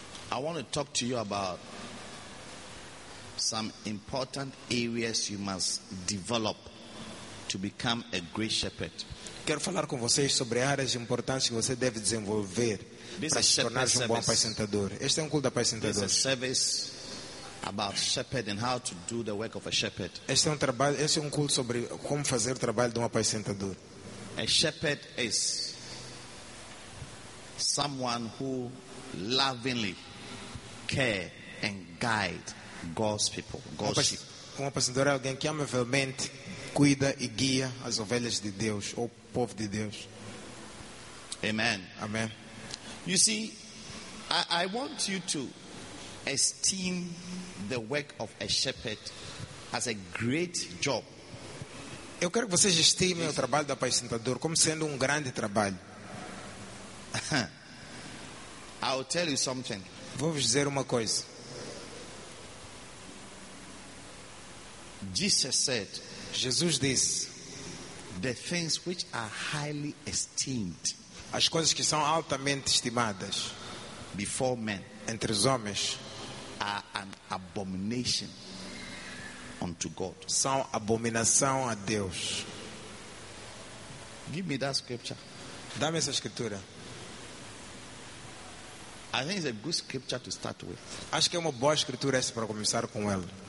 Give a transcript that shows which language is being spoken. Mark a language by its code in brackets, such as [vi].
[en] I want to talk to you about some important areas you must develop to become a great shepherd. [pt] Quero falar com vocês sobre áreas importantes que você deve desenvolver para se tornar um bom apacentador. Este é um culto de apacentadores. [en] This is a service about shepherd and how to do the work of a shepherd. [pt] Este é um culto sobre como fazer o trabalho de um apacentador. [en] A shepherd is someone who lovingly care and guide God's people, God's sheep. [pt] Um apacentador é alguém que amavelmente cuida e guia as ovelhas de Deus, ou povo de Deus. Amen. Amen. [en] You see, I want you to esteem the work of a shepherd as a great job. [pt] Eu quero que vocês estimem o trabalho do apacentador como sendo um grande trabalho. [en] I'll tell you something. [pt] Vou-vos dizer uma coisa. [en] Jesus said, [pt] Jesus disse, [en] the things which are highly esteemed, [pt] as coisas que são altamente estimadas, [en] before men, [pt] entre os homens, [en] are an abomination unto God, [pt] são abominação a Deus. [en] Give me that scripture. [pt] Dá-me essa escritura. [en] I think it's a good scripture to start with. [pt] Acho que é uma boa escritura essa para começar com ela.